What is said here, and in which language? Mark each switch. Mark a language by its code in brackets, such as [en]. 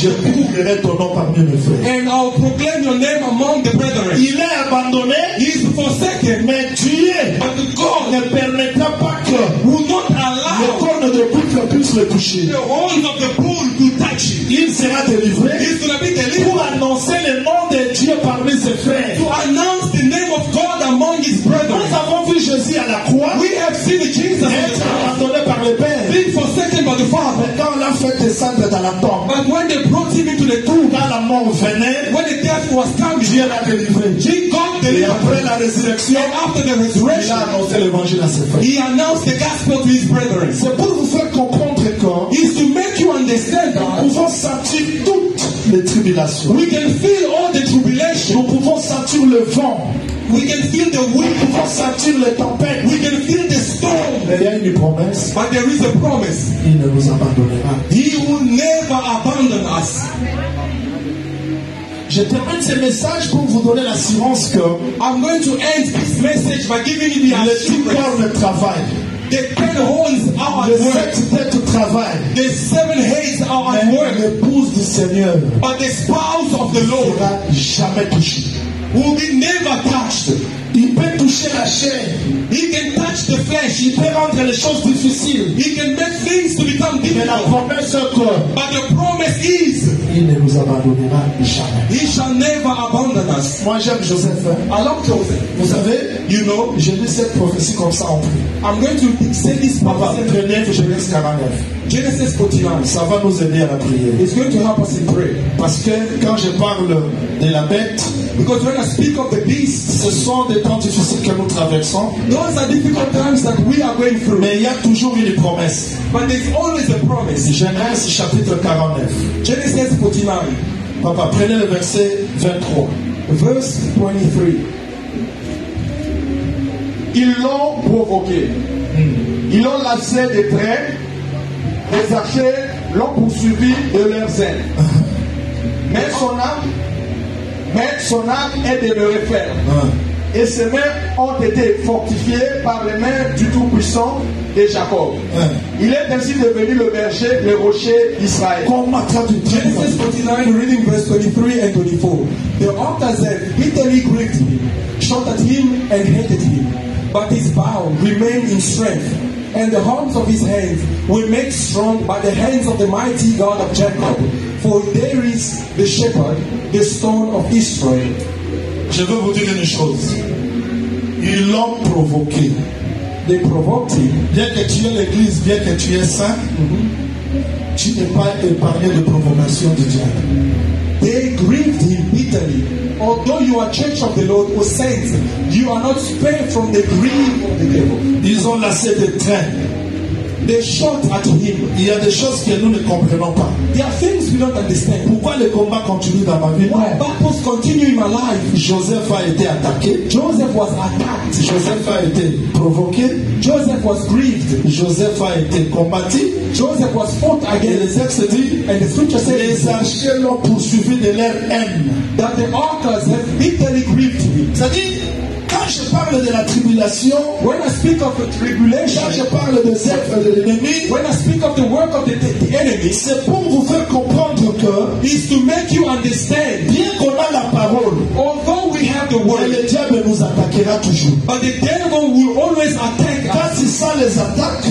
[en] the bull. [fr] Je proclamerai ton nom parmi mes frères. [en] And I'll proclaim your name among the brethren. [fr] Il est abandonné. [en] He is forsaken. [fr] Mais tu es. [en] But God [fr] ne permettra pas que. [en] Will not allow. [fr] Les cornes de bif puissent le toucher. [en] The horn of the bull to touch him. [fr] Il sera délivré. [en] He will be delivered. [fr] Pour annoncer le nom de Dieu parmi ses frères. [en] To announce the name of God among his brethren. [fr] Jésus à la croix. [en] We have seen Jesus [fr] abandonné par le Père. [en] Being forsaken by the Father. [fr] Mais quand on l'a fait descendre dans la tombe. [en] But when they brought him into the tomb. [fr] Quand la mort venait. [en] When the death was coming. [fr] Dieu l'a délivré. [en] God delivered. [fr] Et après la résurrection. [en] And after the resurrection. [fr] Il a annoncé l'évangile à ses frères. [en] He announced the gospel to his brethren. [fr] C'est pour vous faire comprendre que. [en] Is to make you understand that. [fr] Nous pouvons sentir toutes les tribulations. [en] We can feel all the tribulations. [fr] Nous pouvons sentir le vent. [en] We can feel the wind. [fr] Nous pouvons sentir les tempêtes. [en] We can feel the storm. [fr] Mais il y a une promesse. [en] But there is a promise. [fr] Il ne nous abandonnera. [en] He will never abandon us. [fr] Je termine ce message pour vous donner l'assurance que [en] I'm going to end this message by giving you the assurance. [fr] Le travail. [en] The ten horns are at work. The seven heads are at work. [fr] L'épouse du Seigneur. [en] But the spouse of the Lord. [fr] Sera jamais touché. [en] Will be never touched. [fr] Il peut toucher la chair. [en] He can touch the flesh. [fr] Il peut rendre les choses difficiles. [en] He can make things to become difficult. But the promise is. [fr] Il ne nous abandonnera jamais. [en] He shall never abandon us. [fr] Moi j'aime Joseph. [en] I love Joseph. [fr] Vous savez, [en] you know, [fr] je lis cette prophétie comme ça en prie. [en] I'm going to say this Genesis 49. [fr] Ça va nous aider à la prière. [en] It's going to help us in prayer. [fr] Parce que quand je parle de la bête, [en] because when I speak of the beast, [fr] ce sont des temps difficiles que nous traversons. [en] Those are difficult times that we are going through. [fr] Mais il y a toujours une promesse. [en] But there's always a promise. [fr] Genèse chapitre 49. [en] Genesis 49. [fr] Papa, prenez le verset 23. [en] Verse 23. [fr] Ils l'ont provoqué. Ils l'ont lancé des traits. Les archers l'ont poursuivi de leurs ailes. Mais son âme est demeurée ferme. Et ses mains ont été fortifiées par les mains du Tout-Puissant de Jacob. Il est ainsi devenu le berger, le rocher d'Israël. [en] Genesis 49, reading verse 23 and 24. The ox has bitterly gripped him, shot at him and hated him. But his bow remained in strength, and the horns of his hands were made strong by the hands of the mighty God of Jacob. For there is the shepherd, the stone of Israel. [fr] Je veux vous dire une chose. Ils l'ont provoqué. [en] They provoked him. [fr] Bien que tu aies l'église, bien que tu aies saint, tu n'es pas épargné de provocation du diable. [en] They grieved him bitterly. Although you are church of the Lord or saints, you are not spared from the grief of the devil. [fr] Ils ont lassé des traits. [en] They shot at him. [fr] Il y a des choses que nous ne comprenons pas. [en] There are things we don't understand. [fr] Pourquoi le combat continue dans ma vie? [en] Why battles continue in my life? [fr] Joseph a été attaqué. [en] Joseph was attacked. [fr] Joseph a été provoqué. [en] Joseph was grieved. [fr] Joseph a été combattu. [en] Joseph was fought against. [fr] Et le texte dit, [en] and the scripture says, [fr] les archers l'ont poursuivi de leur haine. [en] That the archers have bitterly grieved him. [fr] C'est-à-dire, quand je parle de la tribulation, [en] when I speak of the tribulation, [fr] quand je parle des œuvres de l'ennemi, [en] when I speak of the work of the enemy, [fr] c'est pour vous faire comprendre que, [en] is to make you understand, [fr] bien qu'on a la parole, [en] although we have the word, [fr] le diable nous attaquera toujours. [en] But the devil will always attack us. [fr] Quand tu sens les attaques,